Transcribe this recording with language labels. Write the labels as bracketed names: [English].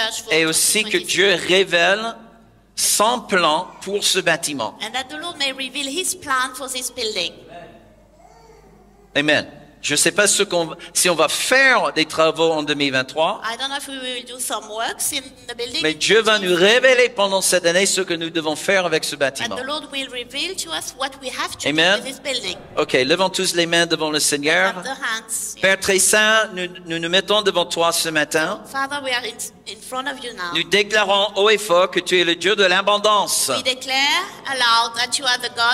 [French] Et aussi que Dieu révèle son plan pour ce bâtiment. [English] And that the Lord may reveal his plan for this building. Amen. [French] Je ne sais pas si on va faire des travaux en 2023. [English] I don't know if we will do some works in the building. [French] Mais Dieu va nous révéler pendant cette année ce que nous devons faire avec ce bâtiment. [English] And the Lord will reveal to us what we have to Amen. Do with this building. [French] Ok, levons tous les mains devant le Seigneur. [English] And the hands, yes. [French] Père très saint, nous nous mettons devant toi ce matin. [English] Father, we are in front of you now. [French] Nous déclarons haut et fort que tu es le Dieu de l'abondance. [English] We declare aloud that you are the God